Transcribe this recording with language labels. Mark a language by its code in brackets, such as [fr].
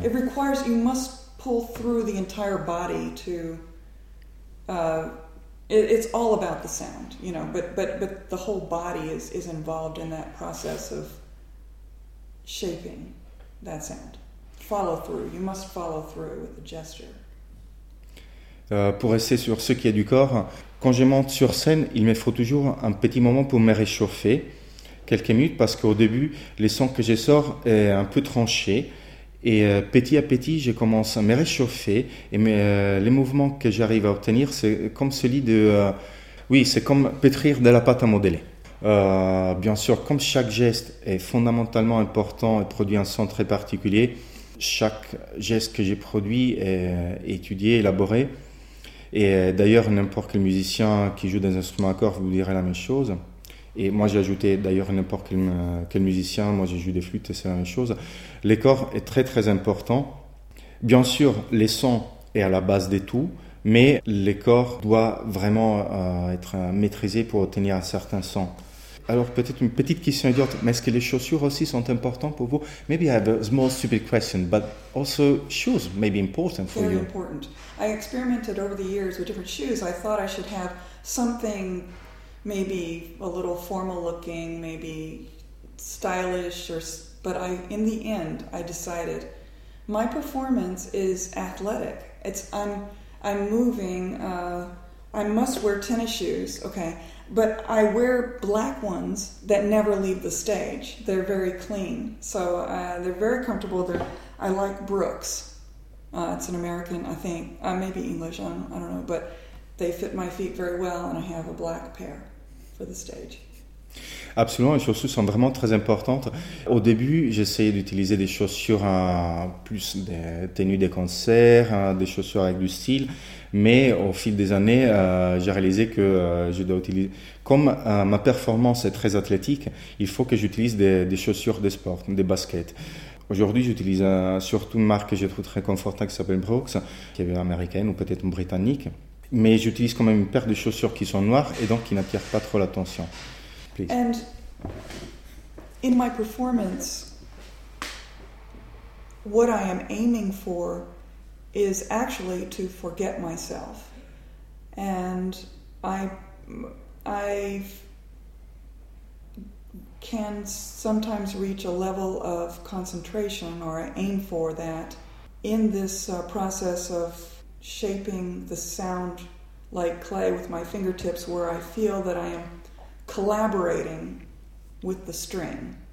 [en] It requires, you must pull through the entire body to, it's all about the sound, you know, but the whole body is involved in that process of shaping that sound. Follow through, you must follow through with the gesture. [fr] Pour rester sur ce qui est du corps, quand je monte sur scène, il me faut toujours un petit moment pour me réchauffer. Quelques minutes, parce qu'au début, le son que je sors est un peu tranché. Et petit à petit, je commence à me réchauffer. Et les mouvements que j'arrive à obtenir, c'est comme celui de... oui, c'est comme pétrir de la pâte à modeler. Bien sûr, comme chaque geste est fondamentalement important et produit un son très particulier, chaque geste que j'ai produit est étudié, élaboré. Et d'ailleurs, n'importe quel musicien qui joue des instruments à cordes vous dirait la même chose. Et moi, j'ai ajouté d'ailleurs n'importe quel musicien. Moi, j'ai joué des flûtes, c'est la même chose. Le corps est très, très important. Bien sûr, le son est à la base de tout, mais le corps doit vraiment être maîtrisé pour obtenir un certain son. Alors peut-être une petite question idiote, mais est-ce que les chaussures aussi sont importantes pour vous? [en] Maybe I have a small stupid question, but also shoes may be important for Very you. Very important. I experimented over the years with different shoes. I thought I should have something maybe a little formal looking, maybe stylish, or but I in the end I decided my performance is athletic. It's I'm moving I must wear tennis shoes, okay? But I wear black ones that never leave the stage. They're very clean. So they're very comfortable. I like Brooks. It's an American, I think. Maybe English, I don't know. But they fit my feet very well, and I have a black pair for the stage. [fr] Absolument, les chaussures sont vraiment très importantes. Au début, j'essayais d'utiliser des chaussures plus des tenues de concert, des chaussures avec du style. Mais au fil des années, j'ai réalisé que je dois utiliser. Comme ma performance est très athlétique, il faut que j'utilise des chaussures de sport, des baskets. Aujourd'hui, j'utilise surtout une marque que je trouve très confortable qui s'appelle Brooks, qui est américaine ou peut-être britannique. Mais j'utilise quand même une paire de chaussures qui sont noires et donc qui n'attirent pas trop l'attention. [en] And in my performance, what I am aiming for is actually to forget myself. And I can sometimes reach a level of concentration, or I aim for that, in this process of shaping the sound like clay with my fingertips, where I feel that I am collaborating with the string.